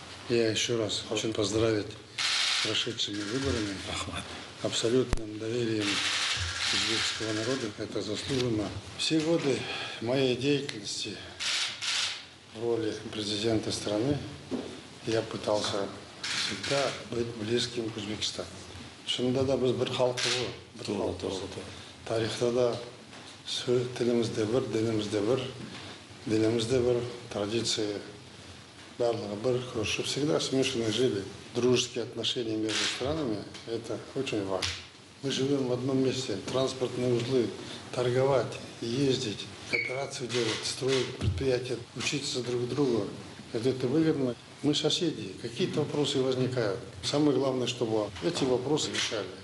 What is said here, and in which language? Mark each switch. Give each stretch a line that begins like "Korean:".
Russian: Я еще раз хочу поздравить с прошедшими выборами, абсолютным доверием узбекского народа. Это заслуженно. Все годы моей деятельности в роли президента страны я пытался всегда быть близким к Узбекистану.
Kazakh: Шынында да біз бір халқы бұл, бір халқы бұл. Тарихта да тілімізде бір, дінімізде бір, дінімізде бір, традиция барлығы бір, көрші.
Russian: Всегда смешанно жили. Дружеские отношения между странами – это очень важно. Мы живем в одном месте, транспортные узлы, торговать, ездить, операцию делать, строить предприятия, учиться друг другу. Это выгодно. Мы соседи, какие-то вопросы возникают. Самое главное, чтобы эти вопросы решали.